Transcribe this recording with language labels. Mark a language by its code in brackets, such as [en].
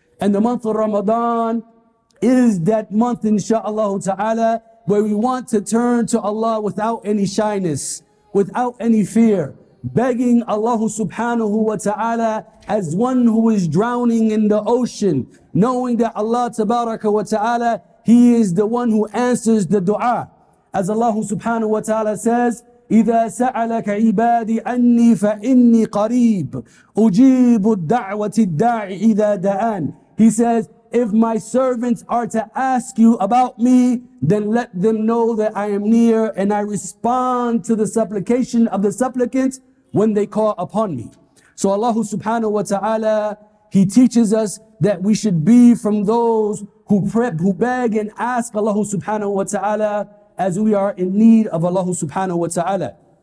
[en] And the month of Ramadan is that month, insha'Allah ta'ala, where we want to turn to Allah without any shyness, without any fear, begging Allah subhanahu wa ta'ala as one who is drowning in the ocean, knowing that Allah tabaraka wa ta'ala, he is the one who answers the dua. As Allah subhanahu wa ta'ala says, [ar] إِذَا سَأَلَكَ عِبَادِي أَنِّي فَإِنِّي قَرِيبُ أُجِيبُ الدَّعْوَةِ الدَّاعِ إِذَا دَآنِ. [en] He says, if my servants are to ask you about me, then let them know that I am near and I respond to the supplication of the supplicant when they call upon me. So Allah subhanahu wa ta'ala, he teaches us that we should be from those who prep, who beg and ask Allah subhanahu wa ta'ala as we are in need of Allah subhanahu wa ta'ala.